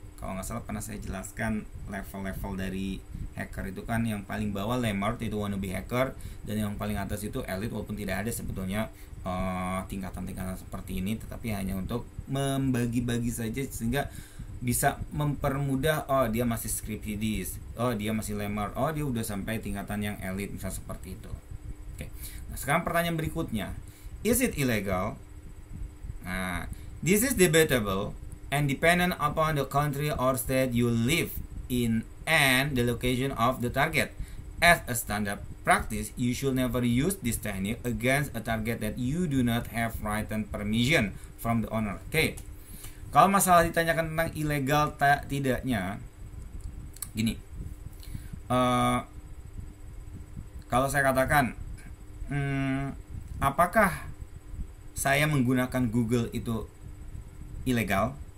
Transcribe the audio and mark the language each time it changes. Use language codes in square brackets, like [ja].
[id] Kalau nggak salah pernah saya jelaskan level-level dari hacker itu kan, yang paling bawah Lemmert itu wannabe hacker, dan yang paling atas itu elite, walaupun tidak ada sebetulnya tingkatan-tingkatan seperti ini, tetapi hanya untuk membagi-bagi saja sehingga bisa mempermudah, dia masih script kiddies, dia masih lemmer, dia udah sampai tingkatan yang elite, misalnya seperti itu. Oke. Nah, sekarang pertanyaan berikutnya, [en] is it illegal? Nah, this is debatable and dependent upon the country or state you live in and the location of the target. As a standard practice, you should never use this technique against a target that you do not have written permission from the owner. [id] Oke. Kalau masalah ditanyakan tentang ilegal tidaknya, gini, kalau saya katakan, apakah saya menggunakan Google itu ilegal?